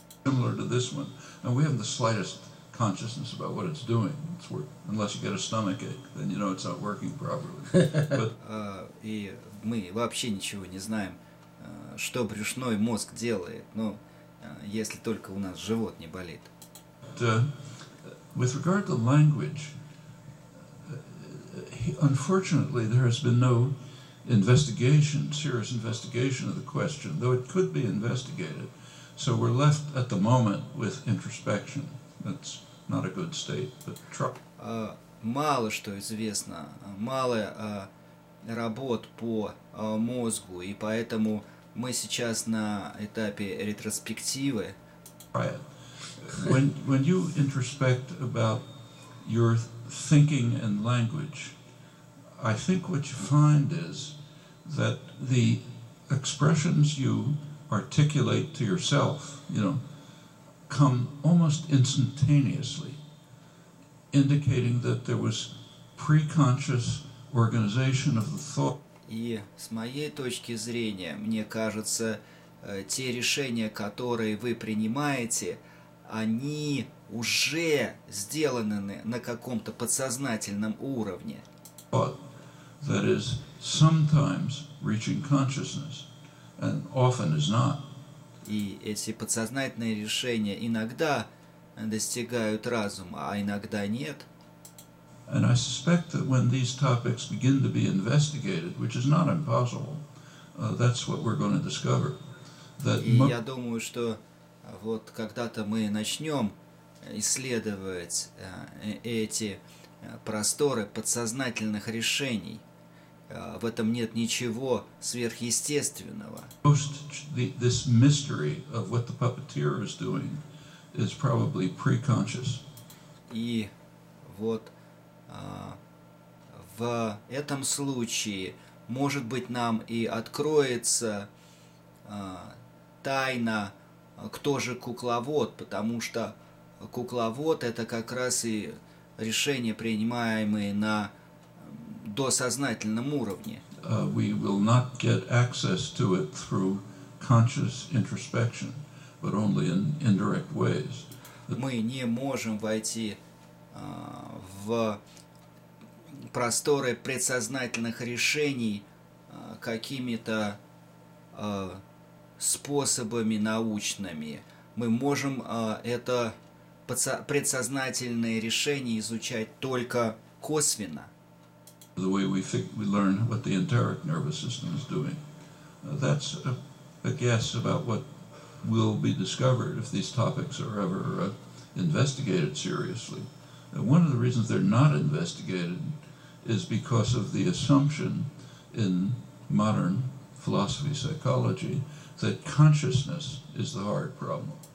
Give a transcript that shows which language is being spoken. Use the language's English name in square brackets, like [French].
[English] Similar to this one, and we have the slightest consciousness about what it's doing. It's work. Unless you get a stomach ache, then you know it's not working properly. But... [Russian] и мы вообще ничего не знаем, что брюшной мозг делает, ну, если только у нас живот не болит. [English] With regard to language, unfortunately, there has been no investigation, serious investigation of the question, though it could be investigated. So we're left at the moment with introspection. That's not a good state, but trouble. [Russian] Мало что известно, мало работ по мозгу, и поэтому мы сейчас на этапе ретроспективы. [English] Right. When you introspect about your thinking and language, I think what you find is that the expressions you articulate to yourself, you know, come almost instantaneously, indicating that there was preconscious organization of the thought. [Russian] И с моей точки зрения, мне кажется, те решения, которые вы принимаете, они уже сделаны на каком-то подсознательном уровне. [English] But that is sometimes reaching consciousness, and often is not. [Russian] И эти подсознательные решения иногда достигают разума, а иногда нет. [English] And I suspect that when these topics begin to be investigated, which is not impossible, that's what we're going to discover. That [Russian] и я думаю, что вот когда-то мы начнем исследовать эти просторы подсознательных решений, в этом нет ничего сверхъестественного. [English] This mystery of what the puppeteer is doing is probably preconscious. [Russian] И вот в этом случае, может быть, нам и откроется тайна, кто же кукловод, потому что кукловод — это как раз и решения, принимаемые на досознательном уровне. [English] We will not get access to it through conscious introspection, but only in indirect ways. [Russian] Мы не можем войти в просторы предсознательных решений какими-то способами научными. Мы можем это предсознательные решения изучать только косвенно. [English] The way we learn what the enteric nervous system is doing. That's a guess about what will be discovered if these topics are ever investigated seriously. One of the reasons they're not investigated is because of the assumption in modern philosophy psychology that consciousness is the hard problem.